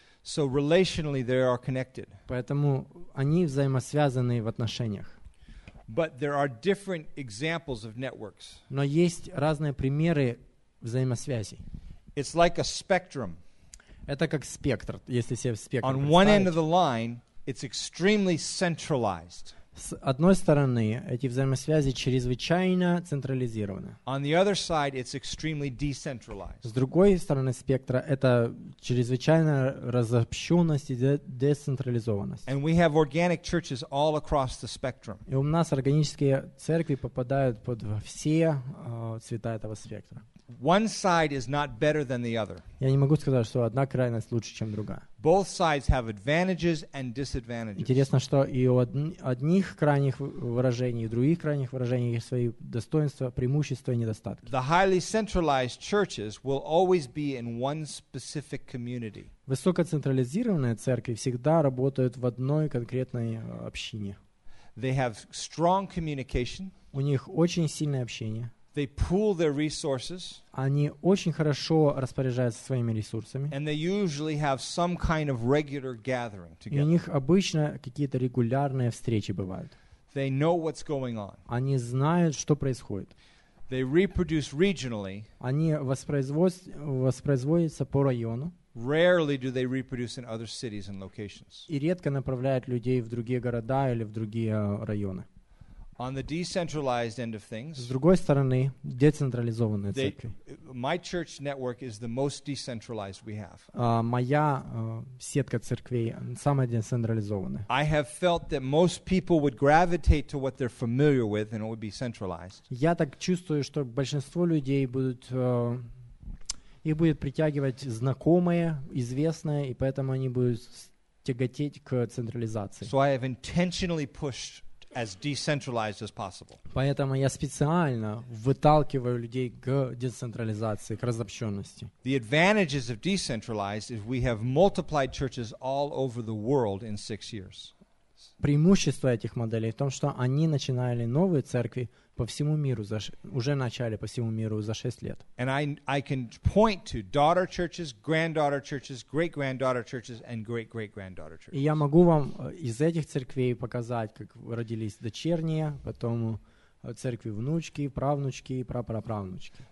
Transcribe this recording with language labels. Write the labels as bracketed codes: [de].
[en] So relationally they are connected. [ru] Поэтому они взаимосвязаны в отношениях. [en] But there are different examples of networks. [ru] Но есть разные примеры взаимосвязи. [en] It's like a spectrum. [ru] Это как спектр, если себе спектр. [en] On one end of the line, it's extremely centralized. [ru] С одной стороны, эти взаимосвязи чрезвычайно централизированы. [en] On the other side, it's extremely decentralized. [ru] С другой стороны спектра, это чрезвычайная разобщенность и децентрализованность. [en] And we have organic churches all across the spectrum. [ru] И у нас органические церкви попадают под все цвета этого спектра. [en] One side is not better than the other. [ru] Я не могу сказать, что одна крайность лучше, чем другая. [en] Both sides have advantages and disadvantages. [ru] Интересно, что и у одних крайних выражений, и у других крайних выражений есть свои достоинства, преимущества и недостатки. [en] The highly centralized churches will always be in one specific community. [ru] Высокоцентрализированные церкви всегда работают в одной конкретной общине. [en] They have strong communication. [ru] У них очень сильное общение. [en] They pool their resources. [ru] Они очень хорошо распоряжаются своими ресурсами. [en] And they usually have some kind of regular gathering together. [ru] И у них обычно какие-то регулярные встречи бывают. [en] They know what's going on. [ru] Они знают, что происходит. [en] They reproduce regionally. [ru] Они воспроизводятся по району. [en] Rarely do they reproduce in other cities and locations. [ru] И редко направляют людей в другие города или в другие районы. [en] On the decentralized end of things, [ru] с другой стороны, децентрализованные церкви. [en] My church network is the most decentralized we have. [ru] Моя сетка церквей самая децентрализованная. [en] I have felt that most people would gravitate to what they're familiar with, and it would be centralized. [ru] Я так чувствую, что большинство людей будут их будет притягивать знакомое, известное, и поэтому они будут тяготеть к централизации. [en] So I have intentionally pushed as decentralized as possible. [ru] Поэтому я специально выталкиваю людей к децентрализации, к разобщенности. [en] The advantages of decentralized is we have multiplied churches all over the world in 6 years. [ru] Преимущество этих моделей в том, что они начинали новые церкви по всему миру за уже начали по всему миру за 6 лет. [en] And I can point to daughter churches, granddaughter churches, great granddaughter churches, and great great granddaughter churches. [ru] И я могу вам из этих церквей показать, как родились дочерние, потом церкви внучки, правнучки и прапраправнучки.